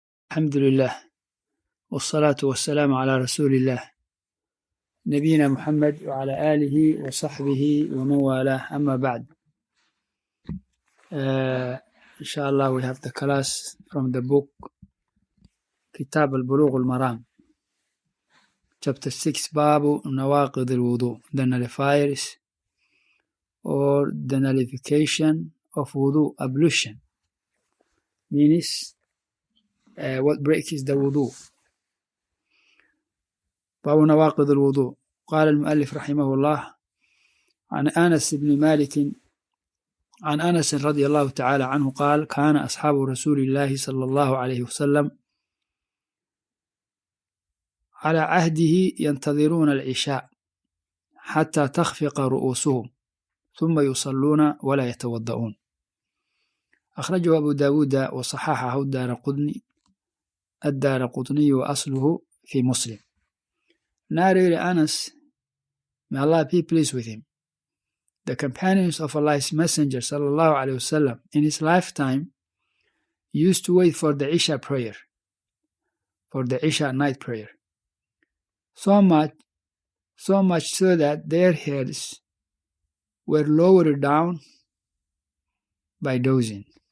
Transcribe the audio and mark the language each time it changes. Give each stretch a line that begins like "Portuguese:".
Arabic: الحمد لله والصلاة والسلام على رسول الله نبينا محمد وعلى آله وصحبه ومن والاه. أما بعد, إن شاء الله
English: we have the class from the book
Arabic: كتاب البلوغ المرام
English: chapter 6
Arabic: باب نواقض الوضوء,
English: the nullifiers or the nullification of wudu, ablution means what breaks the wudu.
Arabic: باب نواقض الوضوء. قال المؤلف رحمه الله عن أنس بن مالك عن أنس رضي الله تعالى عنه قال كان أصحاب رسول الله صلى الله عليه وسلم على عهده ينتظرون العشاء حتى تخفق رؤوسهم ثم يصلون ولا يتوضؤون. أخرجه أبو داود وصححه الدارقطني وأصله في مسلم.
English: نارير أنس, may Allah be pleased with him, the companions of Allah's Messenger sallallahu alayhi wasallam in his lifetime used to wait for the Isha prayer, for the Isha night prayer, so much so that their heads were lowered down by dozing.